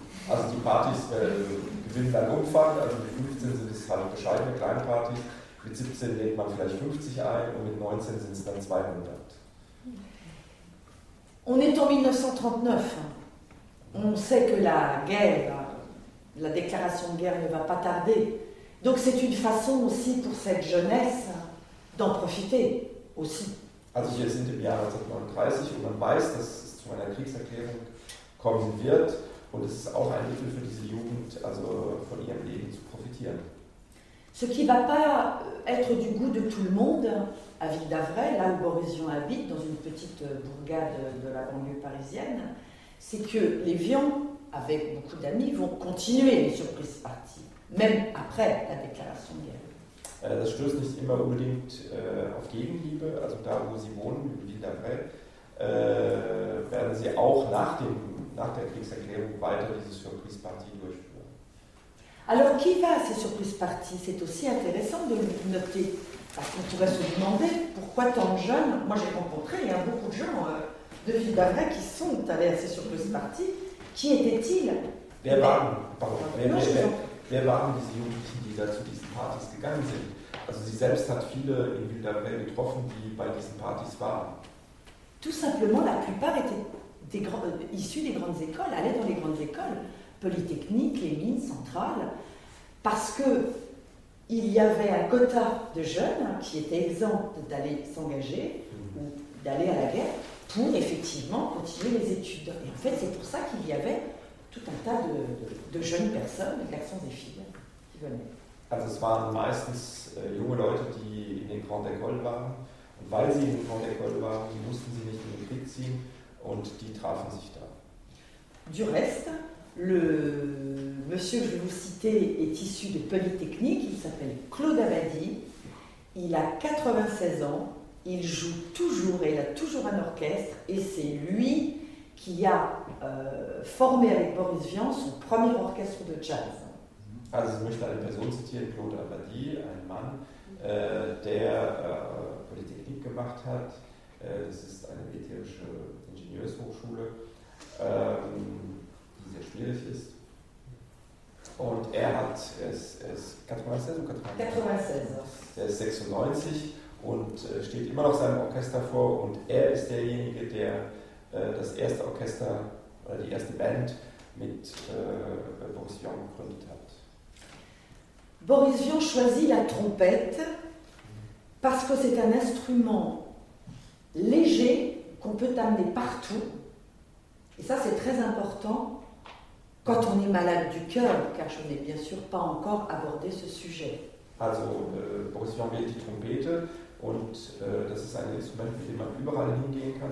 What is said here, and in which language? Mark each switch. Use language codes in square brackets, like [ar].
[de] Also die Partys gewinnen dann Umfang. Also mit 15 sind es halt bescheidene Kleinpartys. Mit 17 legt man vielleicht 50 ein und mit 19 sind es dann 200. [fr] On est en 1939. On sait que la guerre, la déclaration de guerre ne va pas tarder. Donc c'est une façon aussi pour cette jeunesse d'en profiter aussi. [de] Also wir sind im Jahr 1939 und man weiß, dass es zu einer Kriegserklärung kommen wird. Und es ist auch ein Mittel für diese Jugend, also von ihrem Leben zu profitieren. [fr] Ce qui va pas être du goût de tout le monde à Ville-d'Avray, là où Boris Vian habite, dans une petite bourgade de la banlieue parisienne, c'est que les Vian, avec beaucoup d'amis, vont continuer les surprises parties, même après la déclaration de guerre. [de] Das stößt nicht immer unbedingt auf Gegenliebe, also da wo sie wohnen, in Ville-d'Avray, werden sie auch nach der Kriegserklärung weiter diese Surprise Party durchführen. [fr] Alors, qui va à ces Surprise Party? C'est aussi intéressant de le noter. Parce qu'on pourrait se demander pourquoi tant de jeunes, moi j'ai rencontré, il y a beaucoup de gens de Ville-d'Avray qui sont allés à ces Surprise Party. Qui étaient-ils? [de] Wer waren diese Jugendlichen, die da zu diesen Partys gegangen sind? Also, sie selbst hat viele in Ville-d'Avray getroffen, die bei diesen Partys waren. [fr] Tout simplement, la plupart étaient issus des grandes écoles, allaient dans les grandes écoles, Polytechnique, les mines, Centrales, parce qu'il y avait un quota de jeunes qui étaient exempts d'aller s'engager ou d'aller à la guerre pour effectivement continuer les études. Et en fait, c'est pour ça qu'il y avait tout un tas de jeunes personnes, des garçons, des filles, qui venaient. [de] Also, es waren meistens junge Leute, die in den grandes écoles waren. Und weil sie in den grandes écoles waren, die mussten sie nicht in den Krieg ziehen. Und die trafen sich da. [fr] Du reste, le monsieur que je vous citais est issu de Polytechnique, il s'appelle Claude Abadie, il a 96 ans, il joue toujours et il a toujours un orchestre, et c'est lui qui a formé avec Boris Vian son premier orchestre de jazz. [de] Also, [fr] je [de] möchte [fr] une personne citer, [de] Claude Abadie, un Mann, der Polytechnique gemacht hat. Das ist eine militärische Ingenieurshochschule, die sehr schwierig ist. Und er hat, er ist 96 und steht immer noch seinem Orchester vor und er ist derjenige, der das erste Orchester oder die erste Band mit Boris Vian gegründet hat. [fr] Boris Vian choisit la trompette parce que c'est un instrument léger qu'on peut amener partout, et ça c'est très important quand on est malade du cœur, car je n'ai bien sûr pas encore abordé ce sujet. [de] Also, Boris Vian wählt die Trompete und das ist ein Instrument, mit dem man überall hingehen kann.